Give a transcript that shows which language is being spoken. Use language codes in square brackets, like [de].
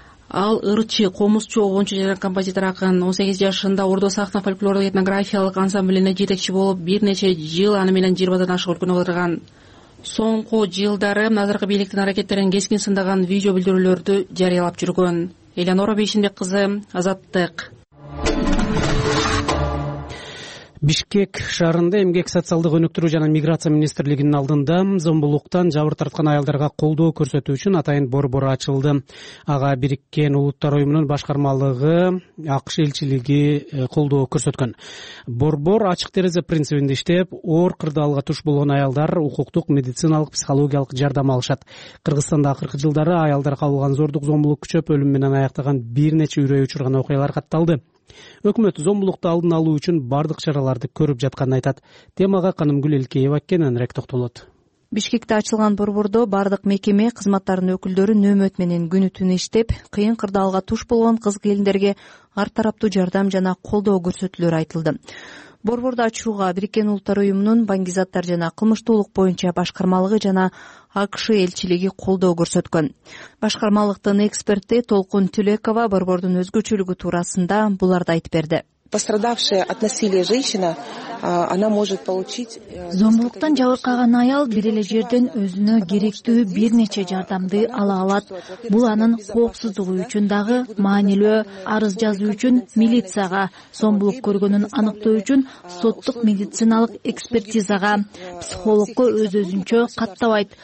[ky] Ал ырчы, комузчу, обончу жана композитор акын. 18 жашында Ордо сахна фольклорлук этнографиялык ансамблине жетекчи болуп бир нече жыл аны менен 20-дан ашык өлкөнү кыдырган. Соңку жылдары азыркы бийликтин аракеттерин кескин сындаган видео билдирүүлөрдү жарыялап жүргөн. Элеонора Бейшенбек кызы, Азаттык. Бишкек шаарында эмгек социалдык өнүктүрүү жана миграция министрлигинин алдында зомбулуктан жабыр тарткан аялдарга колдоо көрсөтүү үчүн атайын борбор ачылды. Ага Бириккен Улуттар Уюмунун башкармалыгы, АКШ элчилиги колдоо көрсөткөн. Борбор ачык терезе принцибинде иштеп, оор кырдаалга туш болгон аялдар укуктук, медициналык, психологиялык жардам алышат. Кыргызстанда акыркы жылдары аялдар кабылган зордук зомбулук күчөп өлүм менен аяктаган бир нече үрөй учурган окуялар катталды. Өкмөт зомбулукту алдын алуу үчүн бардык чараларды көрүп жатканын айтат. Темага Канымгүл Элкеева кененирээк токтолот. Бишкекте ачылган борбордо бардык мекеме кызматтарынын өкүлдөрү нөөмөт менен күнү түнү иштеп, кыйын кырдаалга туш болгон кыз келиндерге ар тараптуу жардам жана колдоо көрсөтүлөрү айтылды. Борборду ачууга Бириккен Улуттар Уюмунун баңгизаттар жана кылмыштуулук боюнча башкармалыгы жана АКШ элчилиги колдоо көрсөткөн. Башкармалыктын эксперти Толкун Түлекова борбордун өзгөчөлүгү туурасында буларды айтып берди. [ru] Пострадавшая от насилия женщина, она может получить... [ky] Зомбулуктан жабыркаган аял бир эле жерден өзүнө керектүү бир нече жардамды ала алат. Бул анын коопсуздугу үчүн дагы маанилүү. Арыз жазуу үчүн милицияга, зомбулук көргөнүн аныктоо үчүн соттук медициналык экспертизага, психологко өз-өзүнчө каттабайт.